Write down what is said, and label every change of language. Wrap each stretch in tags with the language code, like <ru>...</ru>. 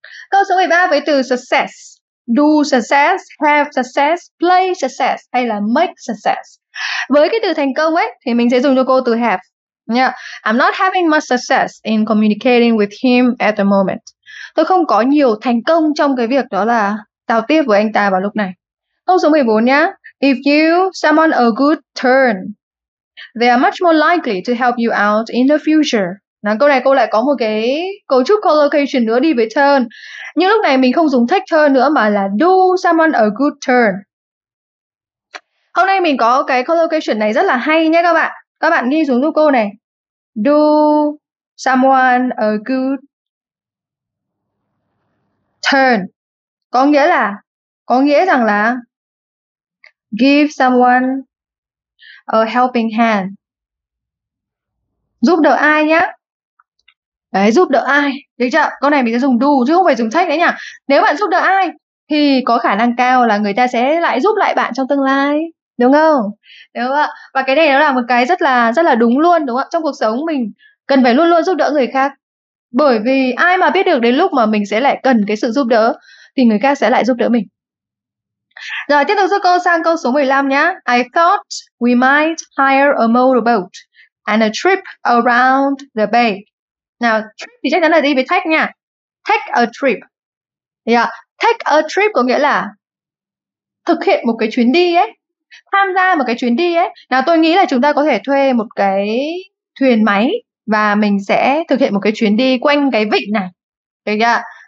<vi>Câu số 13 với từ</vi> <en>success. Do success, have success, play success hay là make success.</en> <vi>Với cái từ thành công ấy thì mình sẽ dùng cho cô từ have. Yeah,</vi> <en>I'm not having much success in communicating with him at the moment.</en> <vi>Tôi không có nhiều thành công trong cái việc đó là giao tiếp với anh ta vào lúc này. Câu số 14 nhá.</vi> <en>If you summon a good turn, they are much more likely to help you out in the future.</en> <vi>Nào, câu này cô lại có một cái cấu trúc collocation nữa đi với turn. Nhưng lúc này mình không dùng</vi> <en>take turn</en> <vi>nữa mà là</vi> <en>do someone a good turn.</en> <vi>Hôm nay mình có cái collocation này rất là hay nhé các bạn. Các bạn ghi xuống giúp cô này.</vi> <en>Do someone a good turn.</en> <vi>Có nghĩa rằng là</vi> <en>give someone a helping hand.</en> <vi>Giúp đỡ ai nhá. Đấy, giúp đỡ ai. Được chưa? Câu này mình sẽ dùng do chứ không phải dùng take đấy nhỉ. Nếu bạn giúp đỡ ai thì có khả năng cao là người ta sẽ lại giúp lại bạn trong tương lai. Đúng không? Đúng không ạ? Và cái này nó là một cái rất là đúng luôn, đúng không ạ? Trong cuộc sống mình cần phải luôn luôn giúp đỡ người khác. Bởi vì ai mà biết được đến lúc mà mình sẽ lại cần cái sự giúp đỡ thì người khác sẽ lại giúp đỡ mình. Rồi, tiếp tục giúp cô sang câu số 15 nhá.</vi> <en>I thought we might hire a motorboat and a trip around the bay.</en> <vi>Nào, trip thì chắc chắn là đi với take nha.</vi> <en>Take a trip.</en> <vi>Take a trip có nghĩa là thực hiện một cái chuyến đi ấy. Tham gia một cái chuyến đi ấy. Nào, tôi nghĩ là chúng ta có thể thuê một cái thuyền máy và mình sẽ thực hiện một cái chuyến đi quanh cái vịnh này. Được chưa?</vi>